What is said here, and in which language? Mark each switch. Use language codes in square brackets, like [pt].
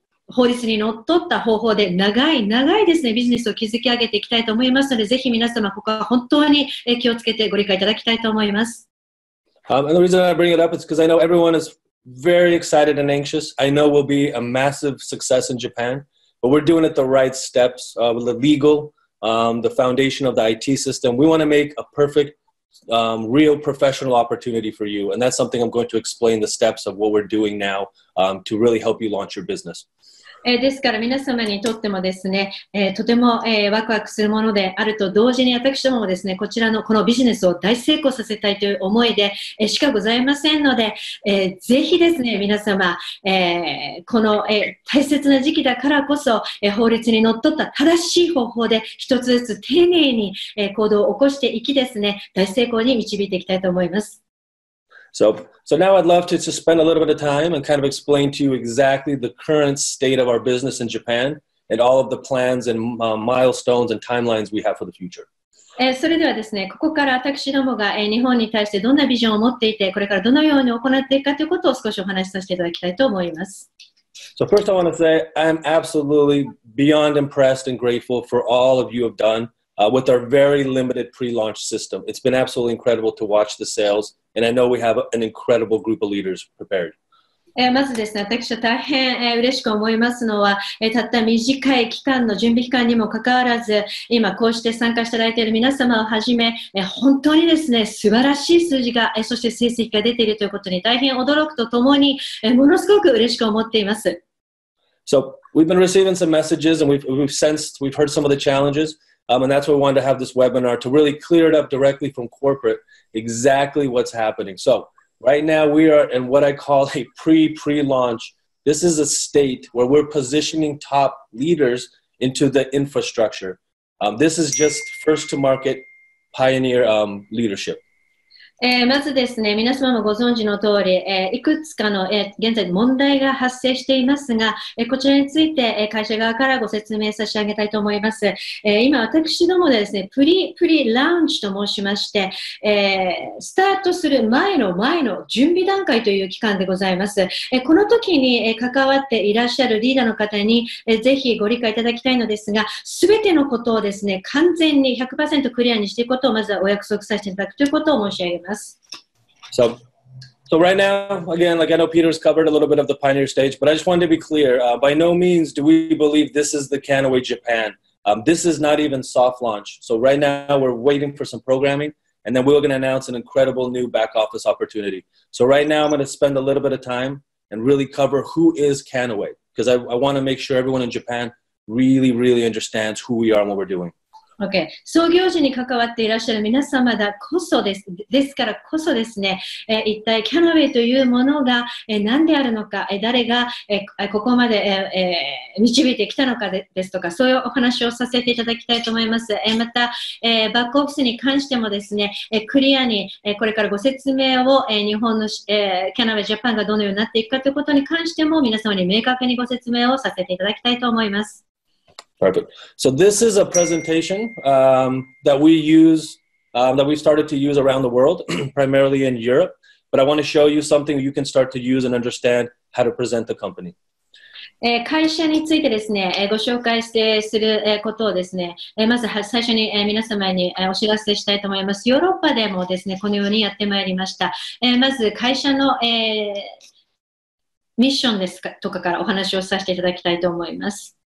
[ja] 法律にのっとった方法で長い長いですねビジネスを築き上げていきたいと思いますので、ぜひ皆様ここは本当に気をつけてご理解いただきたいと思います。 [en] And the reason I bring it up is because I know everyone is very excited and anxious. I know we'll be a massive success in Japan, but we're doing it the right steps with the legal, the foundation of the IT system. We want to make a perfect, real professional opportunity for you. And that's something I'm going to explain the steps of what we're doing now to really help you launch your business. [ja] ですから皆様にとってもですね、とても、ワクワクするものであると同時に私どももですね、こちらのこのビジネスを大成功させたいという思いで、しかございませんので、ぜひですね、皆様、この、大切な時期だからこそ、法律にのっとった正しい方法で一つずつ丁寧に、行動を起こしていきですね、大成功に導いていきたいと思います。 [en] So now I'd love to just spend a little bit of time and kind of explain to you exactly the current state of our business in Japan and all of the plans and milestones and timelines we have for the future. [ja] それではですね、ここから私どもが日本に対してどんなビジョンを持っていて、これからどのように行っていくかということを少しお話しさせていただきたいと思います。 [en] So first I want to say I'm absolutely beyond impressed and grateful for all of you have done. With our very limited pre-launch system. It's been absolutely incredible to watch the sales, and I know we have an incredible group of leaders prepared. [ja] まずですね、私は大変、嬉しく思いますのは、たった短い期間の準備期間にもかかわらず、今こうして参加していただいている皆様をはじめ、本当にですね、素晴らしい数字が、そして成績が出ているということに大変驚くとともに、ものすごく嬉しく思っています。 [en] So, we've been receiving some messages and we've heard some of the challenges. And that's why we wanted to have this webinar to really clear it up directly from corporate exactly what's happening. So right now we are in what I call a pre-launch. This is a state where we're positioning top leaders into the infrastructure. This is just first to market pioneer leadership. [ja] まずですね、皆様もご存知の通り、いくつかの、現在問題が発生していますが、こちらについて、会社側からご説明差し上げたいと思います。今私どもでですね、プリラウンチと申しまして、スタートする前の準備段階という期間でございます。この時に、関わっていらっしゃるリーダーの方に、ぜひご理解いただきたいのですが、すべてのことをですね、完全に 100% クリアにしていくことをまずはお約束させていただくということを申し上げます。 [en] So right now, again, like I know Peter's covered a little bit of the pioneer stage, but I just wanted to be clear, by no means do we believe this is the Kannaway Japan. This is not even soft launch. So right now we're waiting for some programming, and then we're going to announce an incredible new back office opportunity. So right now I'm going to spend a little bit of time and really cover who is Kannaway, because I want to make sure everyone in Japan really, really understands who we are and what we're doing. Okay. [ja] 創業時に関わっていらっしゃる皆様だこそです。ですからこそですね、一体キャノウェイというものが、何であるのか、誰が、ここまで、導いてきたのかですとか、そういうお話をさせていただきたいと思います。また、バックオフィスに関してもですね、クリアに、これからご説明を、日本の、キャノウェイジャパンがどのようになっていくかということに関しても、皆様に明確にご説明をさせていただきたいと思います。 [en] Perfect. So this is a presentation that we use, that we started to use around the world, primarily in Europe. But I want to show you something you can start to use and understand how to present the company. [ja] 会社についてですね、ご紹介してすることをですね、まず最初に皆様にお知らせしたいと思います。ヨーロッパでもですね、このようにやってまいりました。まず会社の、ミッションですかとかからお話をさせていただきたいと思います。